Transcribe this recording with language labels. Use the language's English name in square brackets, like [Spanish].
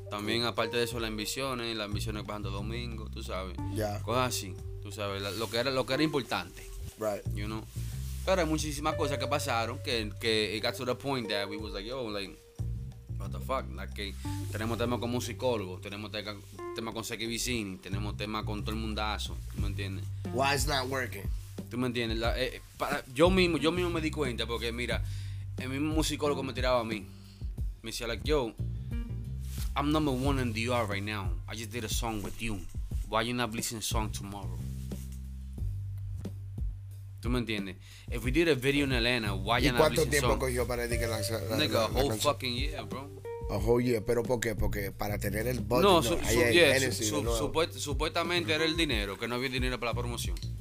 [Spanish] También, aparte de eso, las ambiciones bajando domingo, tú sabes. [English] Yeah. [Spanish] Cosas así, tú sabes, lo que era importante. [English] Right. You know. [Spanish] Pero hay muchísimas cosas que pasaron que [English] it got to the point that we was like, yo, like, what the fuck? [Spanish] Like, que tenemos temas con musicólogo, tenemos temas con Seki Vicini, tenemos temas con todo el mundazo, ¿tú me entiendes? [English] Why it's not working? [Spanish] ¿Tú me entiendes? Yo mismo me di cuenta porque, mira, el mismo musicólogo me tiraba a mí. Me decía, [English] like, yo, I'm number one in DR right now. I just did a song with you. Why you not releasing a song tomorrow? [Spanish] ¿Tú me entiendes? [English] If we did a video in Atlanta, why you not listen to song? [Spanish] ¿Y cuánto tiempo cogió para decir que la [English] nigga, a whole fucking year, bro. A whole year, [Spanish] ¿pero por qué? Porque para tener el budget. No, supuestamente era el dinero, que no había dinero para la promoción.